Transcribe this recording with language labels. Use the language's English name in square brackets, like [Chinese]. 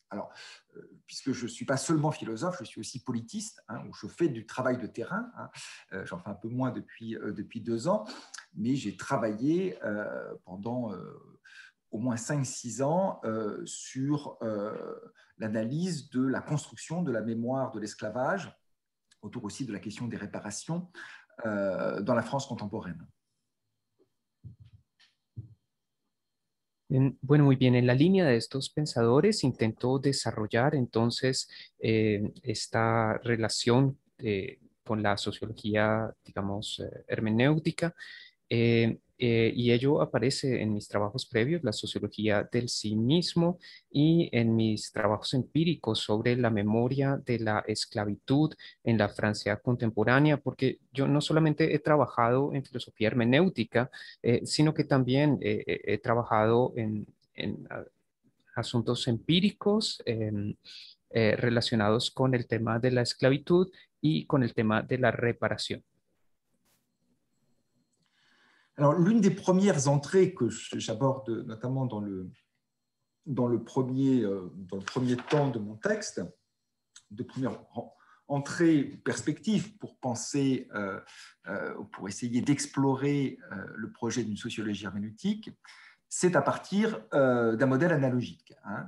[French] Alors, puisque je ne suis pas seulement philosophe, je suis aussi politiste, hein, où je fais du travail de terrain, hein, j'en fais un peu moins depuis 2 ans, mais j'ai travaillé pendant au moins 5-6 ans sur l'analyse de la construction de la mémoire de l'esclavage, autour aussi de la question des réparations dans la France contemporaine. [Spanish] Bueno, muy bien. En la línea de estos pensadores intentó desarrollar entonces esta relación con la sociología, digamos, hermenéutica y ello aparece en mis trabajos previos, la sociología del sí mismo y en mis trabajos empíricos sobre la memoria de la esclavitud en la Francia contemporánea, porque yo no solamente he trabajado en filosofía hermenéutica, sino que también he trabajado en asuntos empíricos relacionados con el tema de la esclavitud y con el tema de la reparación. [French] Alors, l'une des premières entrées que j'aborde notamment dans le premier temps de mon texte, de première entrée perspective pour penser, pour essayer d'explorer le projet d'une sociologie herméneutique, c'est à partir d'un modèle analogique. Hein.